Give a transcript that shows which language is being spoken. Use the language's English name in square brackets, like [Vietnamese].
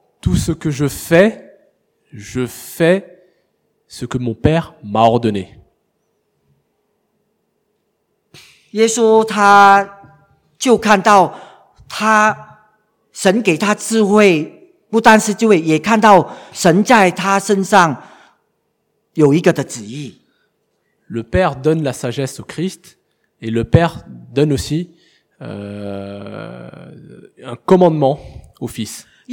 [French] Tout ce que je fais ce que mon Père m'a ordonné. [Chinese] 耶稣他 就看到他神给他智慧，不单是智慧，也看到神在他身上有一个的旨意。 [French] Le Père donne la sagesse au Christ et le Père donne aussi un commandement au Fils.